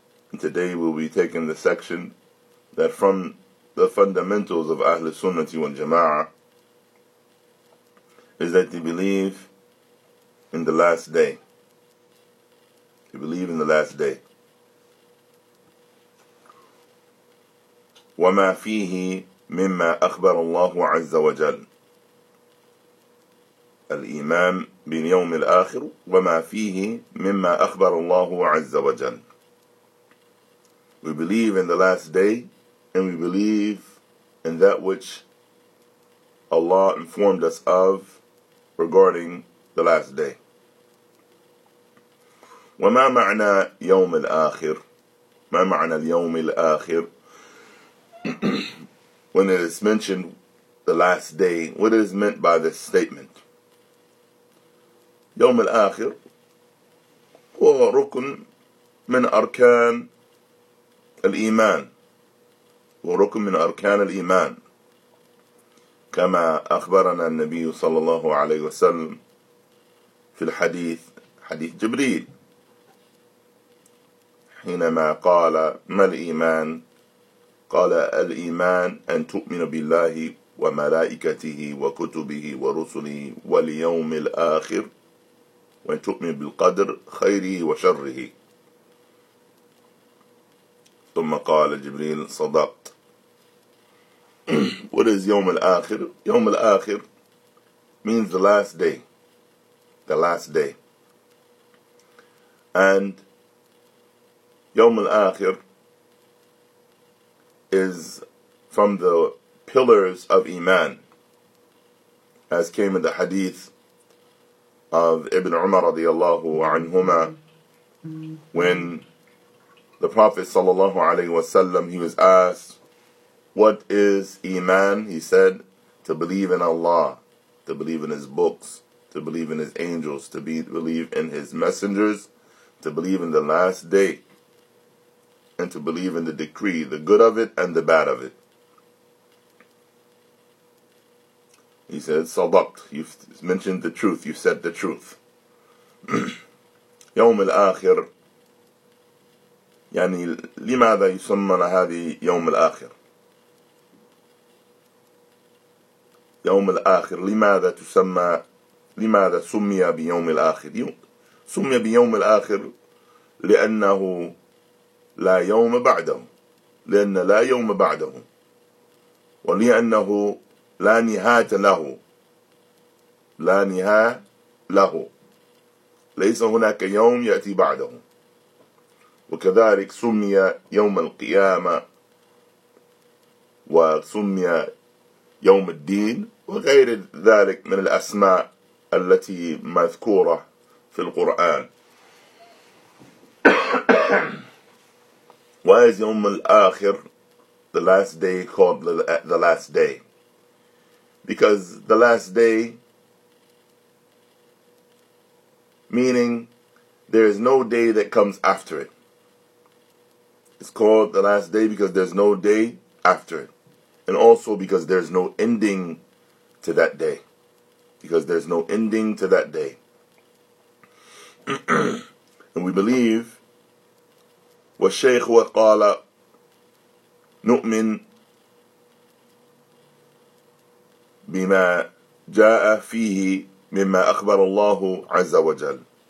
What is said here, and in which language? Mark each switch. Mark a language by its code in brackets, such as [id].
[en] And today we'll be taking the section that from the fundamentals of Ahl Sunnati wal Jama'ah is that they believe in the last day. They believe in the last day. [ar] وَمَا فِيهِ مِمَّا أَخْبَرَ اللَّهُ عَزَّ وَجَلَّ الإيمان باليوم الآخر وما فيه مما أخبر الله عز وجل. [en] We believe in the last day and we believe in that which Allah informed us of regarding the last day. [ar] وما معنى يوم الآخر؟ ما معنى اليوم الآخر؟ [en] When it is mentioned the last day, what is meant by this statement? [ar] يوم الآخر هو ركن من أركان الإيمان وركن من أركان الإيمان كما أخبرنا النبي صلى الله عليه وسلم في الحديث حديث جبريل حينما قال ما الإيمان قال الإيمان أن تؤمن بالله وملائكته وكتبه ورسله واليوم الآخر وأن تؤمن بالقدر خيره وشره ثم قال جبريل صدقت. [en] What is يوم الآخر? يوم الآخر means the last day. The last day. And يوم الآخر is from the pillars of Iman. As came in the hadith of Ibn Umar radiallahu anhuma, when the Prophet sallallahu alayhi wasallam, he was asked, what is Iman? He said, to believe in Allah, to believe in His books, to believe in His angels, to believe in His messengers, to believe in the last day, and to believe in the decree, the good of it and the bad of it. He said, Sadaqt, you've mentioned the truth, you've said the truth. [ar] يوم الآخر يعني لماذا يسمى هذه يوم الآخر؟ يوم الآخر لماذا تسمى لماذا سمي بيوم الآخر؟ سمي بيوم الآخر لأنه لا يوم بعده لأن لا يوم بعده ولأنه لا نهاية له لا نهاية له ليس هناك يوم يأتي بعده وكذلك سمي يوم القيامة وسمي يوم الدين وغير ذلك من الأسماء التي مذكورة في القرآن. [en] Why is يوم الآخر, the last day, called the last day? Because the last day, meaning there is no day that comes after it. It's called the last day because there's no day after it. And also because there's no ending to that day. Because there's no ending to that day. And we believe, [ar] والشيخ وقال نؤمن بما جاء فيه مما أخبر الله عز وجل